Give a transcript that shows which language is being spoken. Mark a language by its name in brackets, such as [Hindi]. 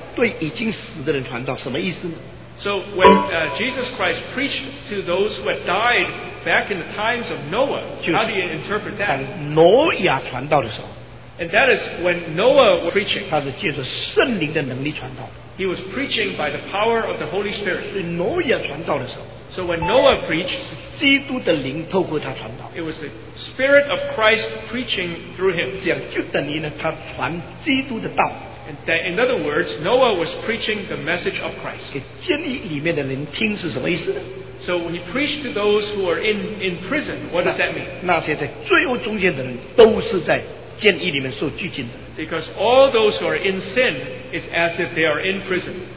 [Chinese] 那么耶稣基督呢，在挪亚时代对已经死的人传道，什么意思呢？ [English] So when Jesus Christ preached to those who had died back in the times of Noah, how do you interpret that? [Chinese] 挪亚传道的时候, [English] and that is when Noah was preaching. [Chinese] 他是借着圣灵的能力传道。 [English] He was preaching by the power of the Holy Spirit. [Chinese] 挪亚传道的时候, [English] so when Noah preached, [Chinese] 基督的灵透过他传道, [English] it was the Spirit of Christ preaching through him. [Chinese] 这样就等于呢, [English] and that, in other words, Noah was preaching the message of Christ. [Chinese] 给监狱里面的人听是什么意思呢? [English] So when he preached to those who are in prison, what does that mean? [Chinese] 那些在罪恶中间的人都是在监狱里面受拘禁的。 [English] Because all those who are in sin is as if they are in prison.